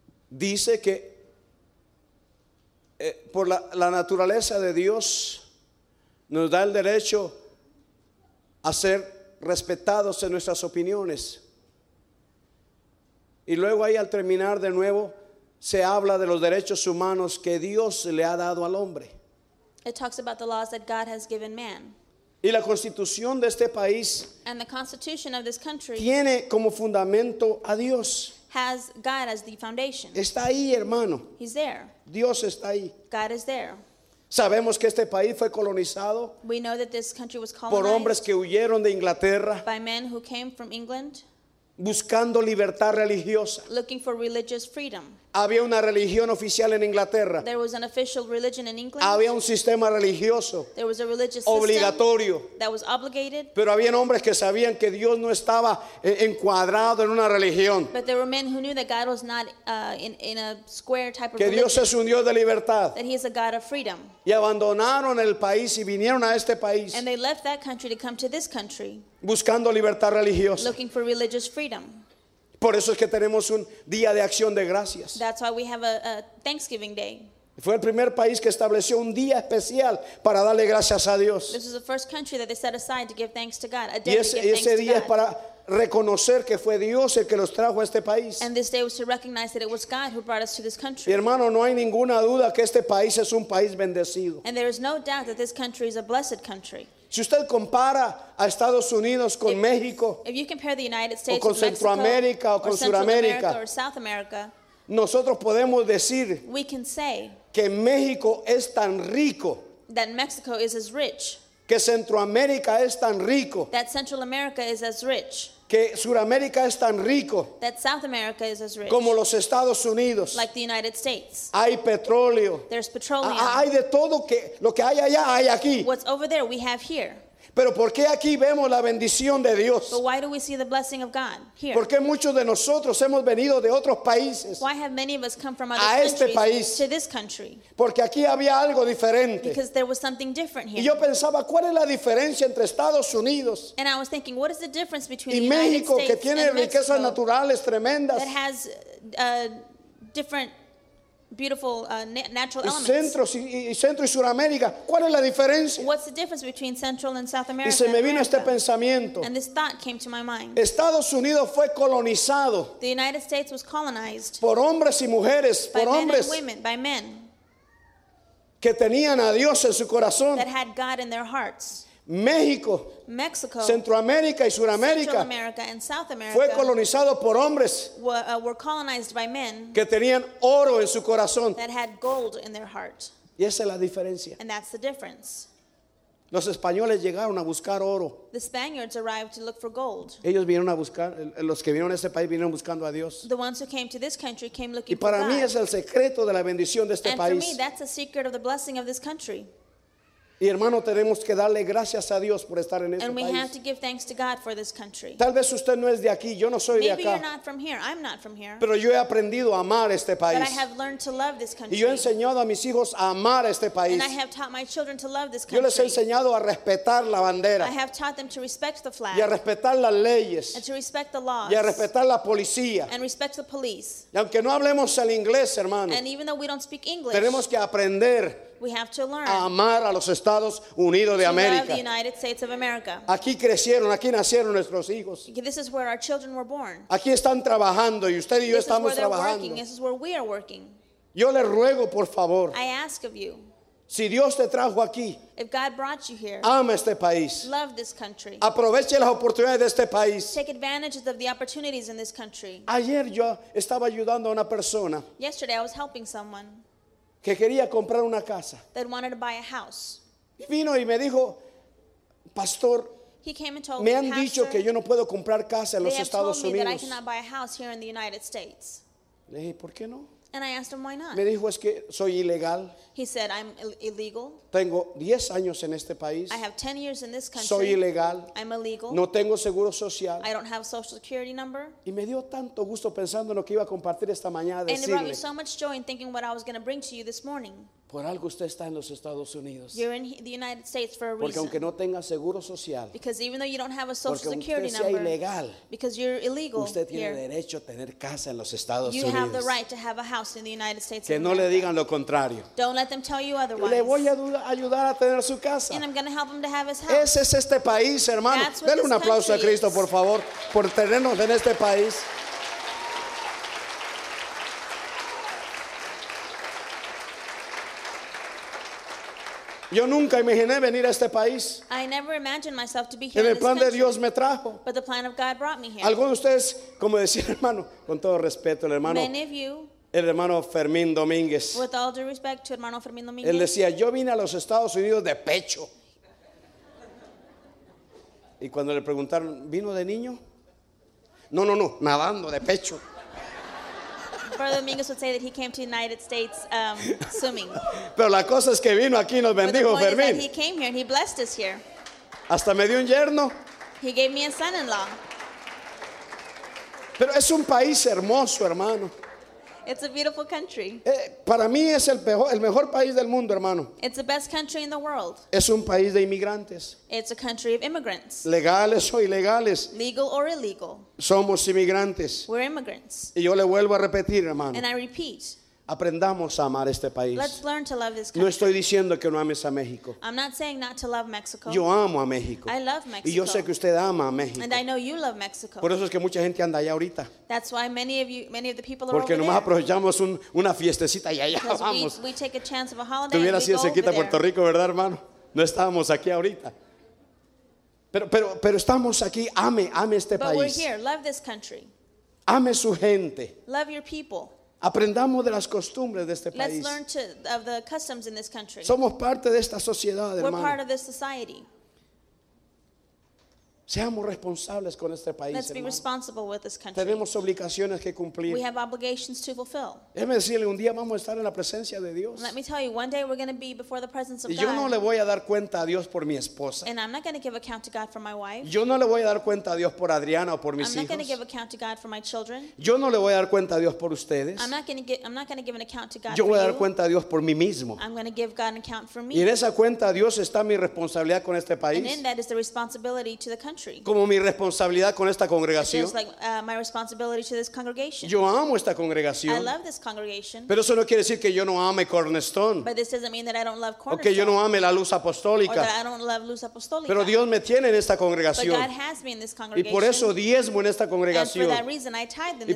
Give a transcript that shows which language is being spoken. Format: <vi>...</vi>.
<es>Dice que por la naturaleza de Dios nos da el derecho a ser respetados en nuestras opiniones. Y luego ahí al terminar de nuevo se habla de los derechos humanos que Dios le ha dado al hombre.</es> <en>It talks about the laws that God has given man.</en> <es>Y la constitución de este país.</es> <en>And the constitution of this country.</en> <es>Tiene como fundamento a Dios.</es> <en>Has God as the foundation.</en> <es>Está ahí, hermano.</es> <en>He's there.</en> <es>Dios está ahí.</es> <en>God is there.</en> <es>Sabemos que este país fue colonizado.</es> <en>We know that this country was colonized.</en> <es>Por hombres que huyeron de Inglaterra.</es> <en>By men who came from England.</en> <es>Buscando libertad religiosa.</es> <en>Looking for religious freedom.</en> <es>Había una religión oficial en Inglaterra.</es> <en>There was an official religion in England.</en> <es>Había un sistema religioso.</es> <en>There was a religious</en> <es>obligatorio.</es> <en>System that was obligated.</en> <es>Pero había hombres que sabían que Dios no estaba encuadrado en una religión.</es> <en>But there were men who knew that God was not in a square type of religion.</en> <es>Que Dios es un Dios de libertad.</es> <en>That he is a God of freedom.</en> <es>Y abandonaron el país y vinieron a este país.</es> <en>And they left that country to come to this country.</en> <es>Buscando libertad religiosa.</es> <en>Looking for religious freedom.</en> <es>Por eso es que tenemos un día de acción de gracias.</es> <en>That's why we have a Thanksgiving Day.</en> <es>Fue el primer país que estableció un día especial para darle gracias a Dios.</es> <en>This is the first country that they set aside to give thanks to God.</en> <es>Y ese día es para reconocer que fue Dios el que los trajo a este país.</es> <en>And this day was to recognize that it was God who brought us to this country.</en> <es>Y hermano, no hay ninguna duda que este país es un país bendecido.</es> <en>And there is no doubt that this country is a blessed country.</en> <es>Si usted compara a Estados Unidos con México,</es> <en>if you compare the United States</en> <es>o con Centroamérica o con Sudamérica, nosotros podemos decir</es> <en>we can say</en> <es>que México es tan rico,</es> <en>that Mexico is as rich,</en> <es>que Centroamérica es tan rico,</es> <en>that Central America is as rich,</en> <es>Que Sudamérica es tan rico.</es> <en>That South America is as rich.</en> <es>Como los Estados Unidos.</es> <en>Like the United States.</en> <es>Hay petróleo.</es> <en>There's petroleum.</en> <es>Hay de todo que lo que hay allá hay aquí.</es> <en>What's over there we have here.</en> <es>Pero ¿por qué aquí vemos la bendición de Dios?</es> <en>But why do we see the blessing of God here?</en> <es>¿Por qué muchos de nosotros hemos venido de otros países?</es> <en>Why have many of us come from other</en> <es>a</es> <en>countries</en> <es>este país?</es> <en>To this country?</en> <es>Porque aquí había algo diferente.</es> <en>Because there was something different here.</en> <es>Y yo pensaba, ¿cuál es la diferencia entre Estados Unidos?</es> <en>And I was thinking, what is the difference between</en> <es>y</es> <en>the</en> <es>México,</es> <en>United States</en> <es>que tiene</es> <en>and</en> <es>riquezas</es> <en>Mexico,</en> <es>naturales tremendas.</es> <en>That has different beautiful natural elements.</en> <es>Centro y Sudamérica. ¿Cuál es la diferencia?</es> <en>What's the difference between Central and South America?</en> <es>Y se me vino este pensamiento.</es> <en>And this thought came to my mind.</en> <es>Estados Unidos fue colonizado.</es> <en>The United States was colonized.</en> <es>Por hombres y mujeres, por hombres.</es> <en>By men and women, by men.</en> <es>Que tenían a Dios en su corazón.</es> <en>That had God in their hearts.</en> <es>México,</es> <en>Mexico,</en> <es>Centroamérica y Sudamérica fue colonizado por hombres</es> <en>were colonized by men</en> <es>que tenían oro en su corazón.</es> <en>That had gold in their heart.</en> <es>Y esa es la diferencia.</es> <en>And that's the difference.</en> <es>Los españoles llegaron a buscar oro.</es> <en>The Spaniards arrived to look for gold.</en> <es>Ellos vinieron a buscar, los que vinieron a ese país vinieron buscando a Dios.</es> <en>The ones who came to this country came looking for God.</en> <es>Y para mí es el secreto de la bendición de este país.</es> <en>And for me, that's the secret of the blessing of this country.</en> <es>Y hermano, tenemos que darle gracias a Dios por estar en este país.</es> <en>And we have to give thanks to God for this country.</en> <es>Tal vez usted no es de aquí, yo no soy</es> <en>maybe</en> <es>de acá.</es> <en>Maybe you're not from here, I'm not from here.</en> <es>Pero yo he aprendido a amar este país.</es> <en>But I have learned to love this country.</en> <es>Y yo he enseñado a mis hijos a amar este país.</es> <en>And I have taught my children to love this country.</en> <es>Yo les he enseñado a respetar la bandera.</es> <en>I have taught them to respect the flag.</en> <es>Y a respetar las leyes.</es> <en>And to respect the laws.</en> <es>Y a respetar la policía.</es> <en>And respect the police.</en> <es>Y aunque no hablemos el inglés, hermano.</es> <en>And even though we don't speak English.</en> <es>Tenemos que aprender.</es> <en>We have to learn</en> <es>a amar a los Estados Unidos de América.</es> <en>To love the United States of America.</en> <es>Aquí crecieron, aquí nacieron nuestros hijos.</es> <en>This is where our children were born.</en> <es>Aquí están trabajando y usted y yo estamos trabajando.</es> <en>This is where we are working.</en> <es>Yo le ruego, por favor.</es> <en>I ask of you.</en> <es>Si Dios te trajo aquí,</es> <en>if God brought you here,</en> <es>ama este país.</es> <en>Love this country.</en> <es>Aproveche las oportunidades de este país.</es> <en>Take advantage of the opportunities in this country.</en> <es>Ayer yo estaba ayudando a una persona.</es> <en>Yesterday I was helping someone.</en> <es>Que quería comprar una casa.</es> <en>That wanted to buy a house.</en> <es>Y vino y me dijo, pastor,</es> <en>he came and told</en> <es>me han dicho que yo no puedo comprar casa en los Estados Unidos.</es> <en>They have told me that I cannot buy a house here in the United States.</en> <es>Le dije, ¿por qué no?</es> <en>And I asked him, why not?</en> <es>Me dijo, es que soy ilegal.</es> <en>He said, I'm illegal.</en> <es>Tengo 10 años en este país.</es> <en>I have 10 years in this country.</en> <es>Soy ilegal.</es> <en>I'm illegal.</en> <es>No tengo seguro social.</es> <en>I don't have a social security number.</en> <es>Y me dio tanto gusto pensando en lo que iba a compartir esta mañana a decirle.</es> <en>And it brought me so much joy in thinking what I was going to bring to you this morning.</en> <es>Por algo usted está en los Estados Unidos.</es> <en>You're in the United States for a reason.</en> <es>Porque aunque no tenga seguro social.</es> <en>Because even though you don't have a social security number.</en> <es>Porque ilegal.</es> <en>Because you're illegal.</en> <es>Usted tiene</es> <en>here.</en> <es>Derecho a tener casa en los Estados</es> <en>you</en> <es>Unidos.</es> <en>You have the right to have a house in the United States.</en> <es>Que</es> <en>of</en> <es>no le digan lo contrario.</es> <en>Don't let them tell you otherwise.</en> <es>Le voy a ayudar a tener su casa.</es> <en>And I'm going to help him to have his house.</en> <es>Ese es este país, hermano.</es> <en>That's</en> <es>dele un aplauso a Cristo, por favor, por tenernos en este país. Yo nunca imaginé venir a este país.</es> <en>I never imagined myself to be here.</en> <es>En el plan</es> <en>country,</en> <es>de Dios me trajo.</es> <en>But the plan of God brought me here.</en> <es>Algunos de ustedes, como decía el hermano, con todo respeto, el hermano Fermín Domínguez.</es> <en>With all due respect to hermano Fermín Domínguez.</en> <es>Él decía, yo vine a los Estados Unidos de pecho. Y cuando le preguntaron, ¿vino de niño? No, nadando de pecho.</es> <en>Brother Dominguez would say that he came to the United States swimming.</en> <es>Pero la cosa es que vino aquí y nos bendijo, Fermín.</es> <en>But the point is that he came here and he blessed us here.</en> <es>Hasta me dio un yerno.</es> <en>He gave me a son-in-law.</en> <es>Pero es un país hermoso, hermano.</es> <en>It's a beautiful country.</en> <es>Para mí es el mejor país del mundo, hermano.</es> <en>It's the best country in the world.</en> <es>Es un país de inmigrantes.</es> <en>It's a country of immigrants.</en> <es>Legales o ilegales.</es> <en>Legal or illegal.</en> <es>Somos inmigrantes.</es> <en>We're immigrants.</en> <es>Y yo le vuelvo a repetir, hermano.</es> <en>And I repeat.</en> <es>Aprendamos a amar este país.</es> <en>Let's learn to love this country.</en> <es>No estoy diciendo que no ames a México.</es> <en>I'm not saying not to love Mexico.</en> <es>Yo amo a México.</es> <en>I love Mexico.</en> <es>Y yo sé que usted ama a México.</es> <en>And I know you love Mexico.</en> <es>Por eso es que mucha gente anda allá ahorita.</es> <en>That's why many of the people are over there.</en> <es>Porque nomás aprovechamos una fiestecita y allá vamos.</es> <en>We take a chance of a holiday.</en> <es>Tuviera sido cerquita Puerto Rico, ¿verdad, hermano? No estábamos aquí ahorita. Pero estamos aquí. Ame este país.</es> <en>But we're here. Love this country.</en> <es>Ame su gente.</es> <en>Love your people.</en> <es>Aprendamos de las costumbres de este país.</es> <en>Let's learn of the customs in this country.</en> <es>Somos parte de esta sociedad, hermano.</es> <en>We're part of this society.</en> <es>Seamos responsables con este país.</es> <en>Let's be</en> <es>hermano.</es> <en>Responsible with this country.</en> <es>Tenemos obligaciones que cumplir.</es> <en>We have obligations to fulfill.</en> <es>Déjeme decirle, un día vamos a estar en la presencia de Dios.</es> <en>Let me tell you, one day we're going to be before the presence of God.</en> <es>Yo no le voy a dar cuenta a Dios por mi esposa.</es> <en>And I'm not going to give account to God for my wife.</en> <es>Yo no le voy a dar cuenta a Dios por Adriana o por mis hijos.</es> <en>I'm not going to give account to God for my children.</en> <es>Yo no le voy a dar cuenta a Dios por ustedes.</es> <en>I'm not going to give an account to God for you.</en> <es>Yo voy a dar cuenta a Dios por mí mismo.</es> <en>I'm going to give God an account for me.</en> <es>Y en esa cuenta a Dios está mi responsabilidad con este país.</es> <en>And in that is the responsibility to the country.</en> <es>Como mi responsabilidad con esta congregación.</es> <en>Just like my responsibility to this congregation.</en> <es>Yo amo esta congregación.</es> <en>I love this congregation.</en> <es>Pero eso no quiere decir que yo no ame Cornerstone.</es> <en>But this doesn't mean that I don't love Cornerstone.</en> <es>O que yo no ame la Luz Apostólica.</es> <en>Or that I don't love Luz Apostólica.</en> <es>Pero Dios me tiene en esta congregación.</es> <en>But God has me in this congregation.</en> <es>Y por eso diezmo en esta congregación.</es> <en>And for that reason I tithe in this.</en>